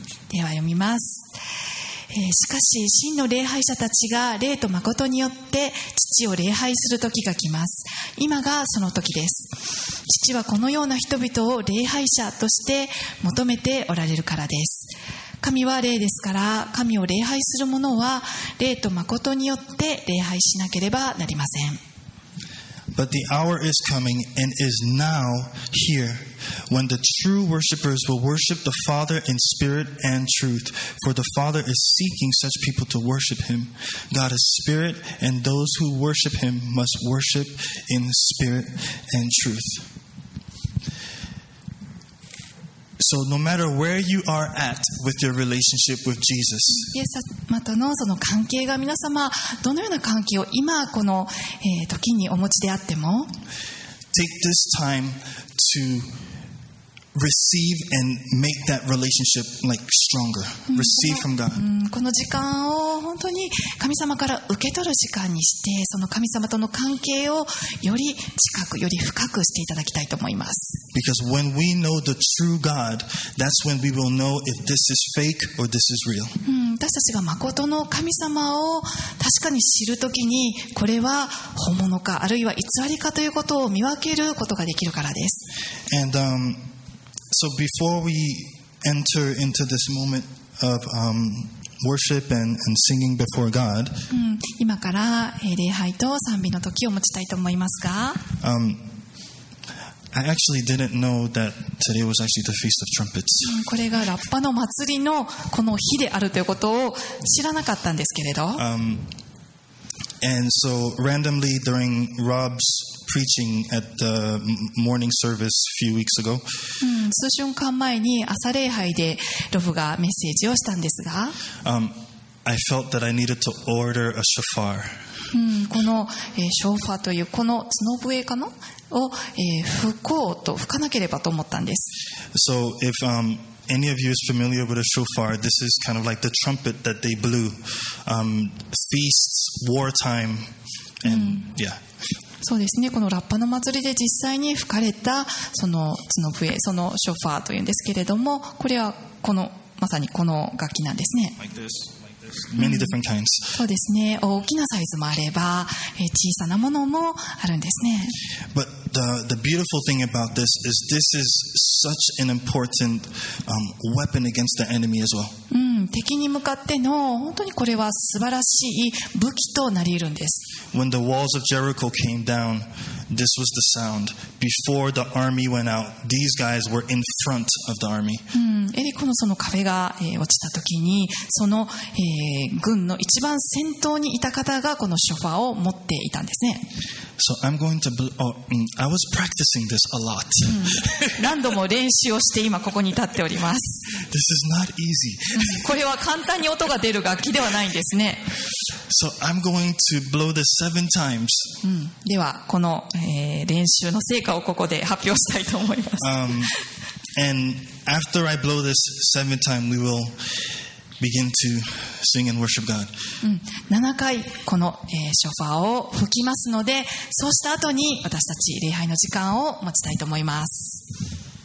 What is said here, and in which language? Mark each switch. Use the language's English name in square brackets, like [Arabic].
[Japanese] では読みます。しかし真の礼拝者たちが霊と誠によって父を礼拝する時が来ます。今がその時です。父はこのような人々を礼拝者として求めておられるからです。神は霊ですから、神を礼拝する者は霊と誠によって礼拝しなければなりません。 [English] But the hour is coming and is now here when the true worshippers will worship the Father in spirit and truth. For the Father is seeking such people to worship him. God is spirit and those who worship him must worship in spirit and truth. So no matter where you are at with your relationship with Jesus, [Japanese] イエス様とのその関係が皆様どのような関係を今この時にお持ちであっても、 [English] take this time to receive and make that relationship like stronger. Receive from God. [Japanese] この時間を本当に神様から受け取る時間にして、その神様との関係をより近く、より深くしていただきたいと思います。 [English] Because when we know the true God, that's when we will know if this is fake or this is real. [Japanese] 私たちが誠の神様を確かに知るときに、これは本物か、あるいは偽りかということを見分けることができるからです。 [English] And, So before we enter into this moment of worship and singing before God, [Japanese] 今から礼拝と賛美の時を持ちたいと思いますが、 [English] I actually didn't know that today was actually the Feast of Trumpets. [Japanese] これがラッパの祭りのこの日であるということを知らなかったんですけれど、 [English] And so randomly during Rob's preaching at the morning service a few weeks ago, [Japanese] 数瞬間前に朝礼拝でロブがメッセージをしたんですが、 [English] I felt that I needed to order a shofar. [Japanese] この、ショーファーというこの角笛かなを、吹こうと吹かなければと思ったんです。 [English] So if, Any of you is familiar with a shofar? This is kind of like the trumpet that they blew. Feasts, wartime, and yeah. [Japanese] そうですね。このラッパの祭りで実際に吹かれたその角笛、そのショーファーというんですけれども、これはこのまさにこの楽器なんですね。 [English] Many different kinds. [Japanese] そうですね。大きなサイズもあれば、小さなものもあるんですね。 [English] But the beautiful thing about this is such an important weapon against the enemy as well. [Japanese] 敵に向かっての本当にこれは素晴らしい武器となり得るんです。 [English] When the walls of Jericho came down, this was the sound. Before the army went out, these guys were in front of the army. [Japanese] エリコのその壁が落ちた時に、その軍の一番先頭にいた方がこのショファーを持っていたんですね。 [English] So I'm going to I was practicing this a lot. [Japanese] 何度も練習をして今ここに立っております。 [English] This is not easy. [Japanese] これは簡単に音が出る楽器ではないんですね。 [English] So I'm going to blow this seven times. [Japanese] ではこの練習の成果をここで発表したいと思います。 [English] And after I blow this seven times, we will begin to sing and worship God. [Japanese] 7回このショファーを吹きますので、そうした後に私たち礼拝の時間を持ちたいと思います。